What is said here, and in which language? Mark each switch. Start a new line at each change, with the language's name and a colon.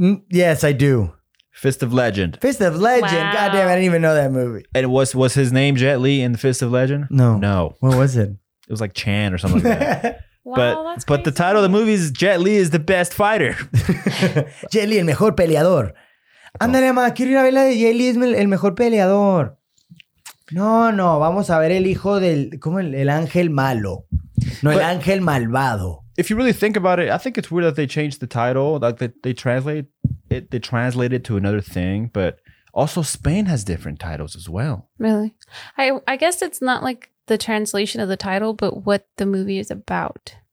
English: Yes, I do. Fist of Legend. Fist of Legend. Wow. God damn, I didn't even know that movie. And was his name Jet Li in Fist of Legend? No. No. What was it? It was like Chan or something like that. Wow, but the title of the movie is Jet Li is the best fighter.
Spanish: Jet Li, el mejor peleador. Andale, ma, quiero ir a verla de Jet Li, es el mejor peleador. No, no, vamos a ver el hijo del, ¿cómo el ángel malo? No, el ángel malvado.
English: If you really think about it, I think it's weird that they changed the title. Like they translate it to another thing. But also, Spain has different titles as well. Really, I guess it's not like the translation of the title, but what the movie is about.